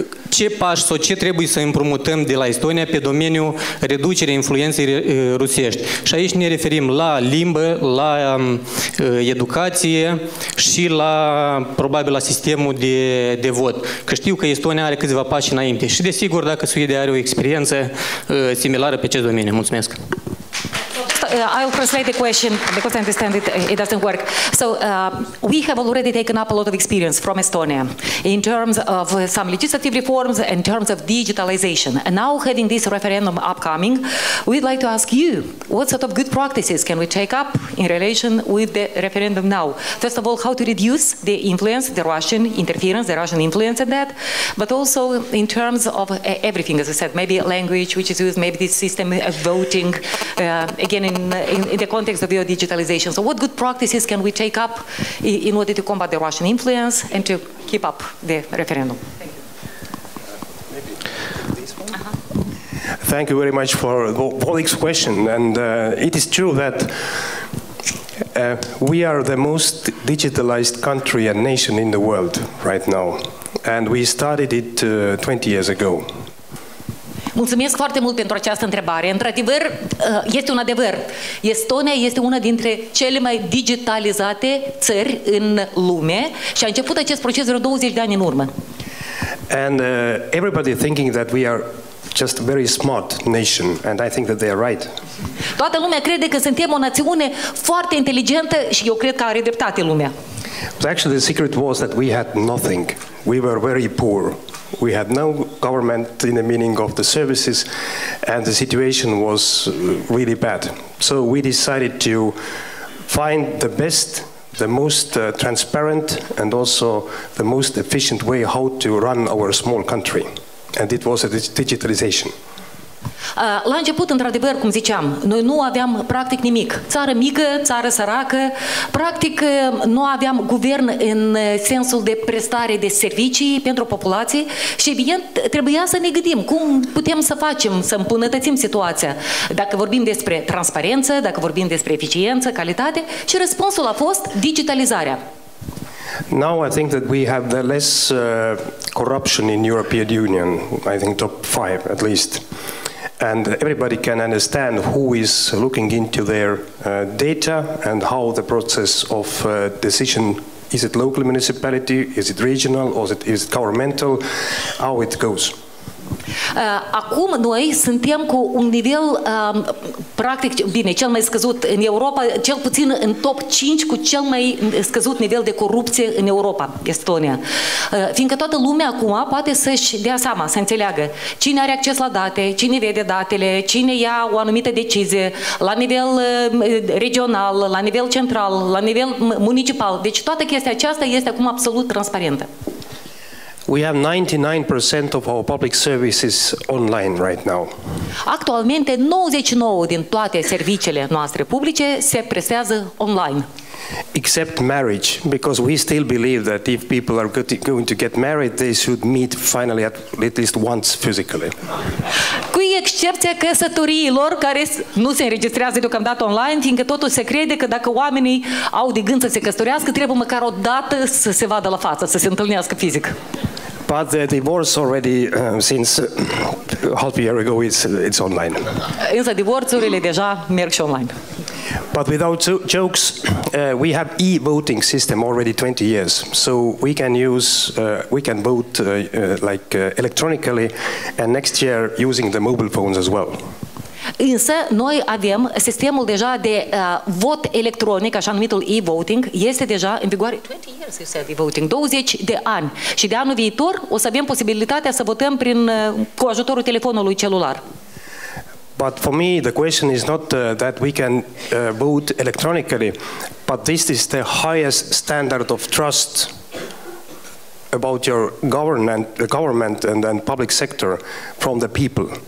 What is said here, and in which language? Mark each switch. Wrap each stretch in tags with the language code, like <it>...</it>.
<ro>Ce pași sau ce trebuie să împrumutăm de la Estonia pe domeniul reducerii influenței rusești? Și aici ne referim la limbă, la educație și la, probabil, la sistemul de vot. Că știu că Estonia are câțiva pași înainte și, desigur, dacă Suedia are o experiență similară pe acest domeniu. Mulțumesc!</ro> <en>I'll translate the question because I understand it doesn't work. So we have already taken up a lot of experience from Estonia in terms of some legislative reforms, in terms of digitalization. And now having this referendum upcoming, we'd like to ask you, what sort of good practices can we take up in relation with the referendum now? First of all, how to reduce the influence, the Russian interference, the Russian influence in that, but also in terms of everything, as I said, maybe language which is used, maybe the system of voting, again, in the context of your digitalization. So what good practices can we take up in order to combat the Russian influence and to keep up the referendum? Thank you very much for Volik's question. And it is true that we are the most digitalized country and nation in the world right now. And we started it 20 years ago.</en> <ro>Mulțumesc foarte mult pentru această întrebare. Într-adevăr, este un adevăr. Estonia este una dintre cele mai digitalizate țări în lume și a început acest proces vreo 20 de ani în urmă.</ro> <en>And everybody thinking that we are just a very smart nation, and I think that they are right.</en> <ro>Toată lumea crede că suntem o națiune foarte inteligentă și eu cred că are dreptate lumea.</ro> <en>But actually, the secret was that we had nothing. We were very poor. We had no government in the meaning of the services, and the situation was really bad. So we decided to find the best, the most transparent, and also the most efficient way how to run our small country. And it was a digitalization.</en> <ro>La început, într-adevăr, cum ziceam, noi nu aveam practic nimic. Țară mică, țară săracă, practic nu aveam guvern în sensul de prestare de servicii pentru populație și, evident, trebuia să ne gândim cum putem să facem, să îmbunătățim situația. Dacă vorbim despre transparență, dacă vorbim despre eficiență, calitate, și răspunsul a fost digitalizarea.</ro> <en>Now I think that we have the less corruption in European Union, I think top five at least. And everybody can understand who is looking into their data and how the process of decision, is it local municipality, is it regional, or is it governmental, how it goes.</en> <ro>Acum noi suntem cu un nivel practic, bine, cel mai scăzut în Europa, cel puțin în top 5 cu cel mai scăzut nivel de corupție în Europa, Estonia. Fiindcă toată lumea acum poate să-și dea seama, să înțeleagă cine are acces la date, cine vede datele, cine ia o anumită decizie la nivel regional, la nivel central, la nivel municipal. Deci toată chestia aceasta este acum absolut transparentă.</ro> <en>We have 99% of our public services online right now.</en> <ro>Actualmente 99 din toate serviciile noastre publice se prestează online.</ro> <en>Except marriage, because we still believe that if people are going to get married, they should meet finally at least once physically.</en> <ro>Cu excepția căsătoriilor care nu se înregistrează deocamdată online, fiindcă totuși se crede că dacă oamenii au de gând să se căsătorească, trebuie măcar o dată să se vadă la față, să se întâlnească fizic.</ro> <en>But the divorce already since half a year ago it's online.</en> <ro>Însă divorțurile deja merg și online.</ro> <en>But without jokes, we have e-voting system already 20 years, so we can use we can vote like electronically, and next year using the mobile phones as well.</en> <ro>Însă noi avem sistemul deja de vot electronic, așa numitul e-voting, este deja în vigoare</ro> <en>20 years, you said,</en> <ro>e-voting, 20 de ani. Și de anul viitor o să avem posibilitatea să votăm prin cu ajutorul telefonului celular.</ro> <en>But for me the question is not that we can vote electronically, but this is the highest standard of trust about your government, the government and then public sector from the people.</en>